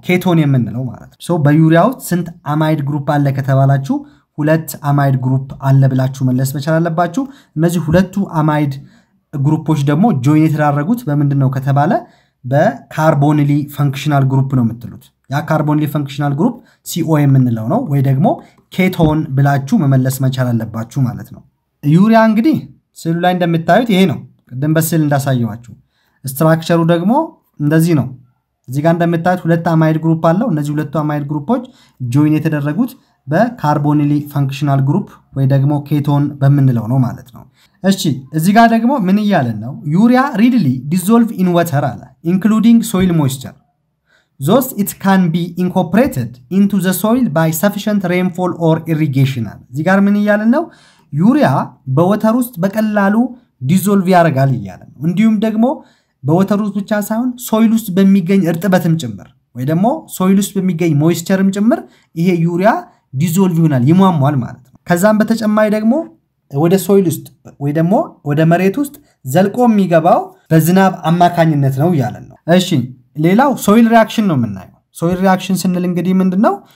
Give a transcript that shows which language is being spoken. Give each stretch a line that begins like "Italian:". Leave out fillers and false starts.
Amharic: ኬቶን የምንለው ማለት ነው። ሶ በዩሪያ ውስጥ ስንት አማይድ ግሩፕ አለ ከተባላችሁ ሁለት አማይድ ግሩፕ አለ ብላችሁ መለስ መቻል አለባችሁ። እነዚህ ሁለቱ አማይድ ግሩፖች ደግሞ ጆይን የተደራረጉት በምንድነው ከተባለ በካርቦኒሊ ፋንክሽናል ግሩፕ ነው የምትሉት። ያ ካርቦኒሊ ፋንክሽናል ግሩፕ CO የምንለው ነው ወይ ደግሞ ኬቶን ብላችሁ መመለስ መቻል አለባችሁ ማለት ነው። ዩሪያ እንግዲህ ስዕሉ ላይ እንደምታዩት ይሄ ነው። ቅድም በስዕል እንዳሳየዋችሁ ስትራክቸሩ ደግሞ እንደዚህ ነው። እዚህ ጋር እንደምታዩት ሁለት አማይድ ግሩፕ አለው። እነዚህ ሁለቱ አማይድ ግሩፖች ጆይን የተደረጉት በካርቦኒሊ ፋንክሽናል ግሩፕ ወይ ደግሞ ኬቶን በምንለው ነው ማለት ነው። እሺ እዚህ ጋር ደግሞ ምን እያለን ነው?
English: ዩሪያ ሪድሊ ዲዞልቭ ኢን ወተር
Amharic: አለ
English: ኢንክሉዲንግ ሶይል ሞይስቸር thus it can be incorporated into the soil by sufficient rainfall or irrigation.
Amharic: እዚህ ጋር ምን ይያልን ነው? ዩሪያ በወተር ውስጥ በቀላሉ ዲዞልቭ ያረጋል ይያልን። እንዲሁም ደግሞ በወተር ውስጥ ብቻ ሳይሆን ሶይል ውስጥ በሚገኝ እርጥበትም ጭምር ወይ ደግሞ ሶይል ውስጥ በሚገኝ ሞይስቸርም ጭምር ይሄ ዩሪያ ዲዞልቭ ይሆናል ይሟሟል ማለት ነው። ከዛም በተጨማሪ ደግሞ ወደ ሶይል ውስጥ ወይ ደግሞ ወደ መሬት ውስጥ ዘልቆ የሚገባው በዝናብ አማካኝነት ነው ይያልን ነው። እሺ ሌላው ሶይል ሪአክሽን ነው የምናየው። ሶይል ሪአክሽን ስንል እንግዲህ ምንድነው?